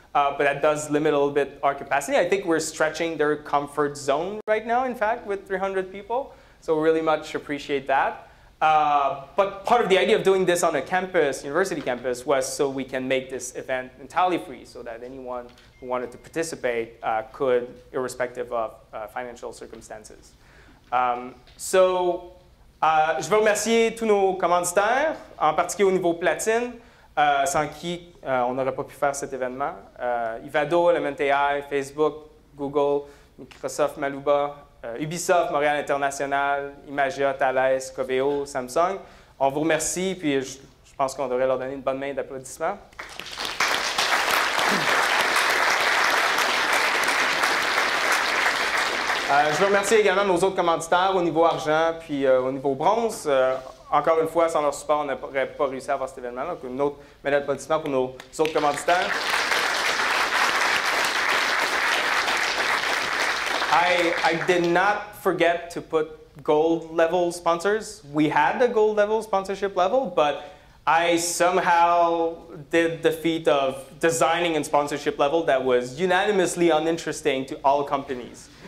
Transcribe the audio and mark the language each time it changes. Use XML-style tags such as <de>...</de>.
<en>But that does limit a little bit our capacity. I think we're stretching their comfort zone right now, in fact, with 300 people. So we really much appreciate that. But part of the idea of doing this on a campus, university campus, was so we can make this event entirely free so that anyone who wanted to participate could, irrespective of financial circumstances.</en> <fr>Je veux remercier tous nos commanditaires, en particulier au niveau platine, sans qui on n'aurait pas pu faire cet événement. Ivado, LMNTI, Facebook, Google, Microsoft, Maluba, Ubisoft, Montréal International, Imagia, Thales, Coveo, Samsung. On vous remercie, puis je pense qu'on devrait leur donner une bonne main d'applaudissements. Je veux remercier également nos autres commanditaires au niveau argent puis au niveau bronze. Encore une fois, sans leur support, on n'aurait pas réussi à avoir cet événement-là. Donc, une autre médaille d'applaudissement pour nos autres commanditaires.</fr> <en>I did not forget to put gold level sponsors. We had a gold level sponsorship level, but I somehow did the feat of designing a sponsorship level that was unanimously uninteresting to all companies.</en>